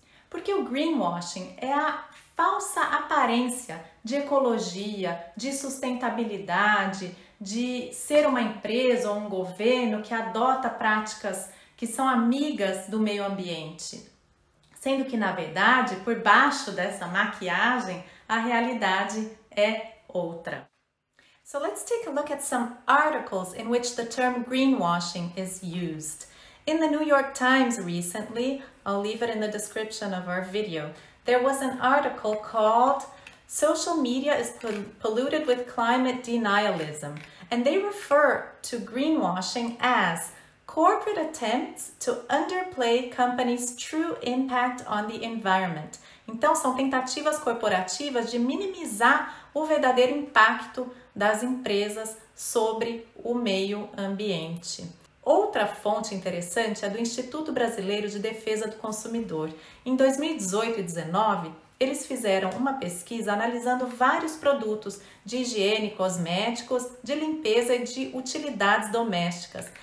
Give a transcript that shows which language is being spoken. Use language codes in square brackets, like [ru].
[pt] Porque o greenwashing é a falsa aparência de ecologia, de sustentabilidade, de ser uma empresa ou um governo que adota práticas que são amigas do meio ambiente, sendo que, na verdade, por baixo dessa maquiagem, a realidade é outra. [en] So let's take a look at some articles in which the term greenwashing is used. In the New York Times recently, I'll leave it in the description of our video, there was an article called "Social Media is Polluted with Climate Denialism," and they refer to greenwashing as corporate attempts to underplay companies' true impact on the environment. [pt] Então, são tentativas corporativas de minimizar o verdadeiro impacto das empresas sobre o meio ambiente. Outra fonte interessante é do Instituto Brasileiro de Defesa do Consumidor. Em 2018 e 2019, eles fizeram uma pesquisa analisando vários produtos de higiene, cosméticos, de limpeza e de utilidades domésticas.